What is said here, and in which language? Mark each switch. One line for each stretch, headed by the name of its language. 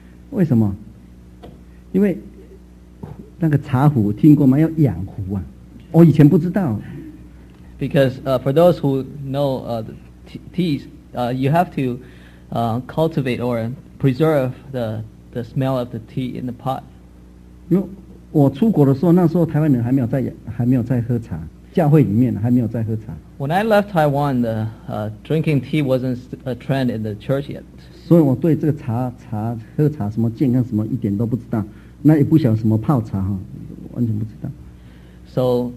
Chinese: 为什么？因为那个茶壶听过吗？要养壶啊！我以前不知道。
English: Because for those who know the teas, you have to cultivate or preserve the smell of the tea in the pot.
Chinese: 我出国的时候，那时候台湾人还没有在喝茶，教会里面还没有在喝茶。
English: When I left Taiwan, the drinking tea wasn't a trend in the church yet.
Chinese: 所以我对这个茶喝茶什么健康什么一点都不知道，那也不晓得什么泡茶哈，完全不知道。
English: So